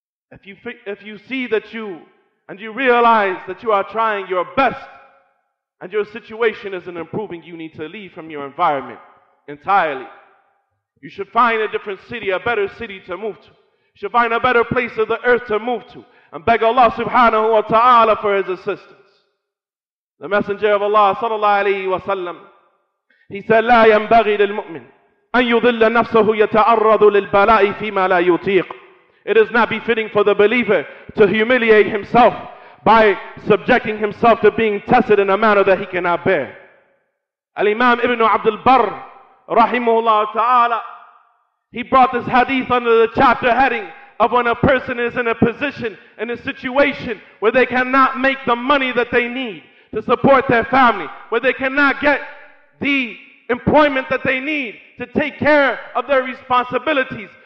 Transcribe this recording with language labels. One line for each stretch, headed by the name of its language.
English: If you see that you, and you realize that you are trying your best and your situation isn't improving, you need to leave from your environment entirely. You should find a different city, a better city to move to. You should find a better place of the earth to move to and beg Allah subhanahu wa ta'ala for His assistance. The Messenger of Allah sallallahu alayhi wa sallam, he said,
Arabic: لا ينبغي للمؤمن أن يضل نفسه يتعرض للبلاء فيما لا يطيق.
English: It is not befitting for the believer to humiliate himself by subjecting himself to being tested in a manner that he cannot bear. Al-Imam Ibn Abd al-Barr, rahimahullah ta'ala, he brought this hadith under the chapter heading of when a person is in a position, in a situation where they cannot make the money that they need to support their family, where they cannot get the employment that they need to take care of their responsibilities.